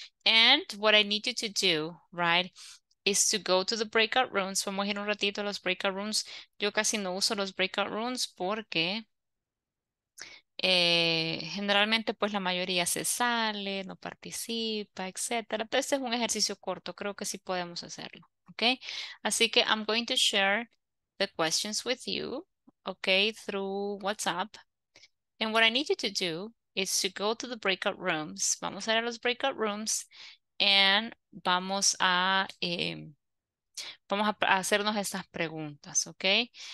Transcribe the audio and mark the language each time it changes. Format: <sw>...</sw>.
<en>And what I need you to do, right, is to go to the breakout rooms.</en> <es>Vamos a ir un ratito a los breakout rooms. Yo casi no uso los breakout rooms porque generalmente pues la mayoría se sale, no participa, etcétera. Pero este es un ejercicio corto, creo que sí podemos hacerlo, okay? Así que</es> <en>I'm going to share the questions with you, okay, through WhatsApp. And what I need you to do is to go to the breakout rooms.</en> <es>Vamos a ir a los breakout rooms and vamos a hacernos estas preguntas, okay?</es>